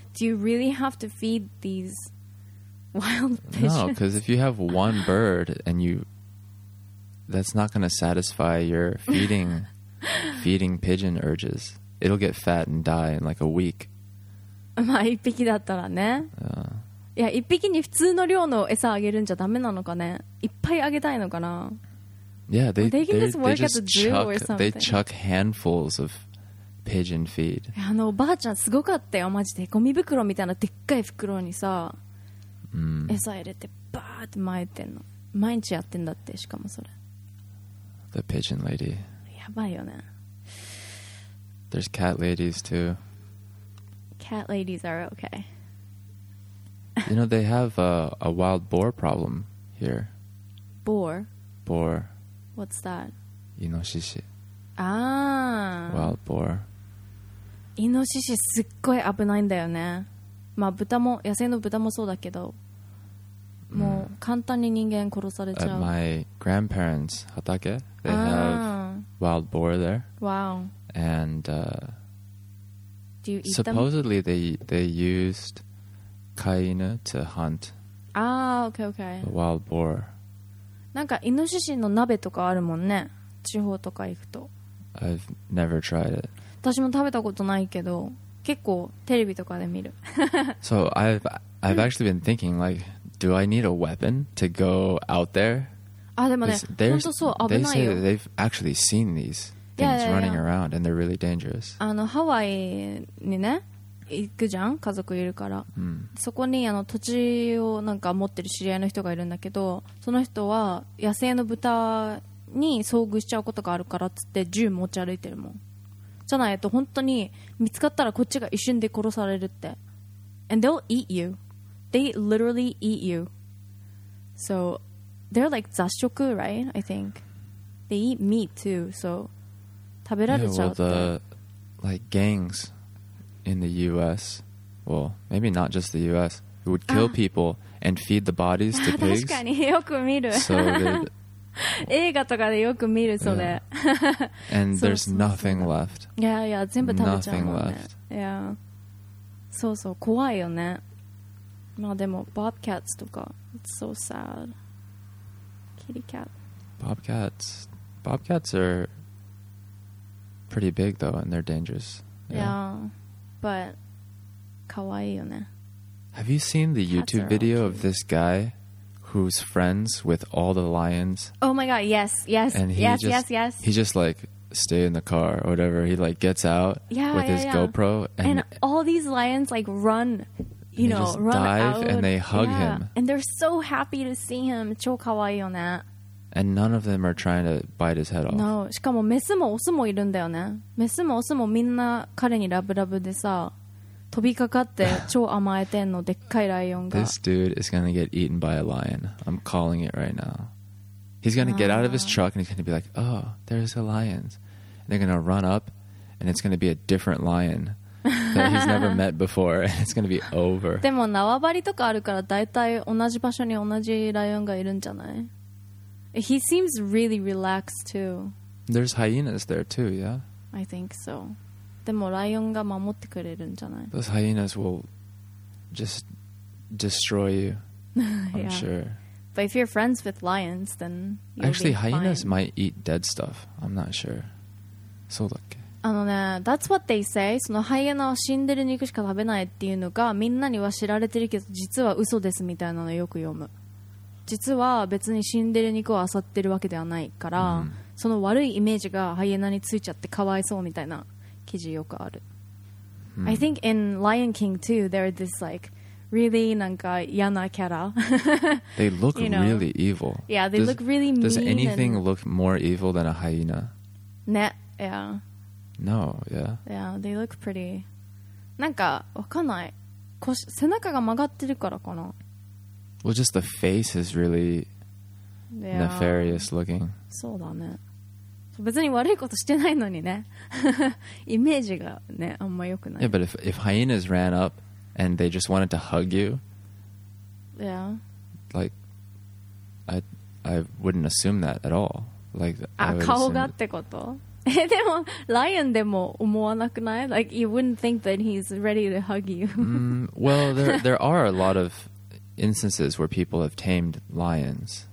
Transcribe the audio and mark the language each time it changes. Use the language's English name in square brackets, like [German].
[English] Do you really have to feed these wild pigeons? No, because if you have one bird and you... That's not going to satisfy your feeding pigeon urges. It'll get fat and die in, like, a week. [Japanese] まあ、一匹だったらね。 [English] Yeah. [Japanese] いや、一匹に普通の量の餌あげるんじゃダメなのかね。いっぱいあげたいのかな。 [English] Yeah, they just chuck handfuls of pigeon feed. [Japanese] あのおばあちゃんすごかったよ、マジで。ゴミ袋みたいなでっかい袋にさ、餌入れてバーって撒いてんの。毎日やってんだって、しかもそれ。 [English] The pigeon lady. [Japanese] やばいよね。 [English] There's cat ladies too. Cat ladies are okay. You know, they have a wild boar problem here. Boar. What's that? [Japanese] イノシシ。ああ。 [English] Wild boar。 [Japanese] イノシシすっごい危ないんだよね。まあ豚も野生の豚もそうだけど、もう簡単に人間殺されちゃう。 [English] At my grandparents' 畑、they have wild boar there. Wow. And do you eat supposedly them? they used 飼い犬 to hunt. Ah, okay, okay. The wild boar. [Japanese] なんかイノシシの鍋とかあるもんね、地方とか行くと。 [English] I've never tried it. [Japanese] 私も食べたことないけど、結構テレビとかで見る。 [English] So I've actually been thinking like, do I need a weapon to go out there? [Japanese] あ、でもね、本当そう、危ないよ。 [English] They say that they've actually seen these things yeah, yeah, yeah. running around and they're really dangerous. [Japanese] あのハワイにね、行くじゃん、家族いるから、そこにあの土地をなんか持ってる知り合いの人がいるんだけど、その人は野生の豚に遭遇しちゃうことがあるからつって銃持ち歩いてるもん。じゃないと本当に見つかったらこっちが一瞬で殺されるって。 [English] And they'll eat you. They literally eat you. So they're like 雑食, right? I think they eat meat too. [Japanese] So 食べられちゃうって。 [English] Yeah, well, the, like gangsIn the U.S., well, maybe not just the U.S., it would kill people and feed the bodies to pigs. [Japanese] 確かによく見る。 [English] So they'd... [Japanese] 映画とかでよく見るそれ。 [English] Yeah. And there's nothing left. [Japanese] Yeah, yeah, 全部食べちゃうもんね。 [English] Nothing left. Yeah. [Japanese] そうそう、怖いよね。まあでも、 [English] bobcats [Japanese] とか、 [English] it's so sad. Kitty cat. Bobcats. Bobcats are pretty big, though, and they're dangerous. [Japanese] Yeah. But, かわいいよね。 [English] Have you seen the YouTube video、okay. of this guy who's friends with all the lions? Oh my god, yes, yes, yes, just, yes, yes. He just like, stay in the car or whatever. He like, gets out yeah, with yeah, his yeah. GoPro. And all these lions like, run, you know, run out. They dive and they hug yeah, him. And they're so happy to see him. [Japanese] 超かわいいよね。 [English] And none of them are trying to bite his head off. [Japanese] No, しかもメスもオスもいるんだよね。メスもオスもみんな彼にラブラブでさ、飛びかかって超甘えてんの、でっかいライオンが。 [English] This dude is gonna get eaten by a lion. I'm calling it right now. He's gonna get out of his truck and he's gonna be like, oh, there's a lion. And they're gonna run up and it's gonna be a different lion that he's never met before. And it's gonna be over. [Japanese] でも縄張りとかあるから大体同じ場所に同じライオンがいるんじゃない？ [English] He seems really relaxed too. There's hyenas there too, yeah? I think so. [Japanese] でもライオンが守ってくれるんじゃない? [English] Those hyenas will just destroy you, I'm sure. But if you're friends with lions, then you'll Actually, be hyenas fine. Might eat dead stuff. I'm not sure. [Japanese] そうだっけ? あのね、 [English] that's what they say. [Japanese] そのハイエナは死んでる肉しか食べないっていうのがみんなには知られてるけど実は嘘ですみたいなのよく読む。実は別に死んでる肉を漁ってるわけではないから、その悪いイメージがハイエナについちゃってかわいそうみたいな記事よくある。 [English] I think in Lion King too, there is this like really [Japanese] なんか嫌なキャラ。 [English] They look you know? really evil. Yeah, they does, look really mean. Does anything and... look more evil than a hyena? Ne, yeah. No, yeah. Yeah, they look pretty. [Japanese] なんか、わかんない。腰、背中が曲がってるからかな。 [English] Well, just the face is really nefarious looking. [Japanese] そうだね。別に悪いことしてないのにね。イメージがね、あんま良くない。 [English] Yeah, but if hyenas ran up and they just wanted to hug you, yeah. Like, I wouldn't assume that at all. Like, [Japanese] あ、顔がってこと? でも、ライオンでも思わなくない? [English] Like, you wouldn't think that he's ready to hug you. well, there are a lot of instances where people have tamed lions.